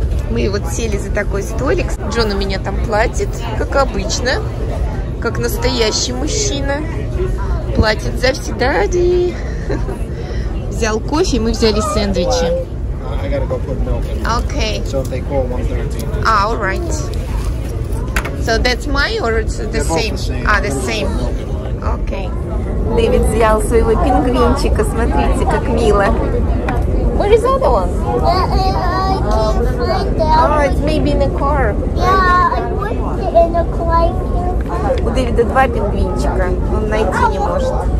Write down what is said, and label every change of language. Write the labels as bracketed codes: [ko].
[ru] Мы вот сели за такой столик. Джон у меня там платит, как обычно, как настоящий мужчина. Платит за все, дади. Взял кофе, мы взяли сэндвичи. [en] Окей. Alright. So that's my or it's the same? The same. Окей. [ru] Дэвид взял своего пингвинчика. Смотрите, как мило. [en] Where is the other one? I can't find them. Oh, it's maybe in the car. Yeah, I put it in the car. [ru] У Дэвида два пингвинчика. Он найти не может.